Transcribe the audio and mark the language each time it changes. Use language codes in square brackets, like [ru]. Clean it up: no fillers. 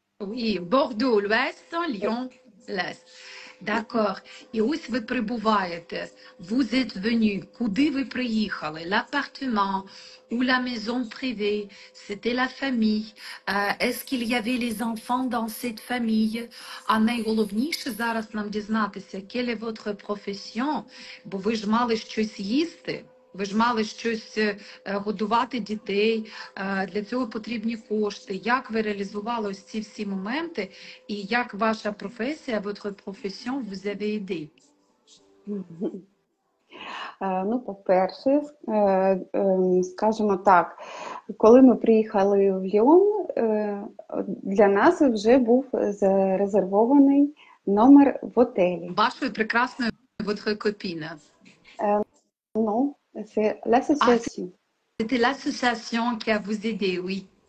[fr] Oui, Bordeaux, l'ouest, Lyon, l'est. D'accord. Et où vous [uk] прибуваєте? [fr] Vous êtes venu. [uk] Куди ви приїхали? [fr] L'appartement ou la maison privée? C'était la famille. Est-ce qu'il y avait les enfants dans cette famille? [uk] А найголовніше зараз нам дізнатися, [fr] quelle est votre profession? [uk] Бо ви ж мали щось їсти. Ви ж мали щось годувати дітей, для цього потрібні кошти. Як ви реалізували ось ці всі моменти і як ваша професія, [fr] votre profession vous avez aidé? [uk] Ну, по-перше, скажімо так, коли ми приїхали в Ліон, для нас вже був зарезервований номер в отелі. Вашої прекрасної [fr] votre copine. Ну, c'est l'association. C'était l'association qui a vous aidé, oui.